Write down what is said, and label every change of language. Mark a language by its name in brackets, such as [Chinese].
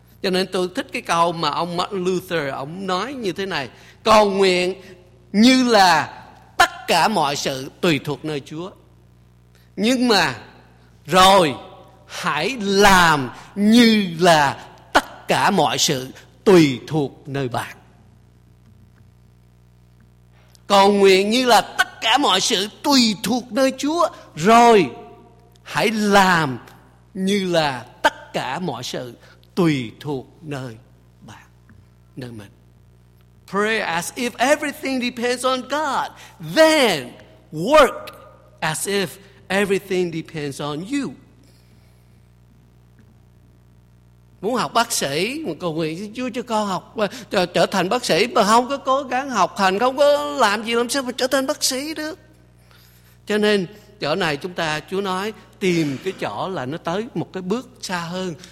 [Vietnamese] Cho nên tôi thích cái câu mà ông Martin Luther ông nói như thế này: cầu nguyện như là tất cả mọi sự tùy thuộc nơi Chúa, nhưng mà rồi hãy làm như là cả mọi sự tùy thuộc nơi bạn. Cầu nguyện như là tất cả mọi sự tùy thuộc nơi Chúa, rồi hãy làm như là tất cả mọi sự tùy thuộc nơi bạn, nơi mình. [English] Pray as if everything depends on God, then work as if everything depends on you. [Vietnamese] Muốn học bác sĩ mà cầu nguyện xin Chúa cho con học trở thành bác sĩ mà không có cố gắng học hành, không có làm gì, làm sao mà trở thành bác sĩ được? Cho nên chỗ này chúng ta Chúa nói tìm cái chỗ là nó tới một cái bước xa hơn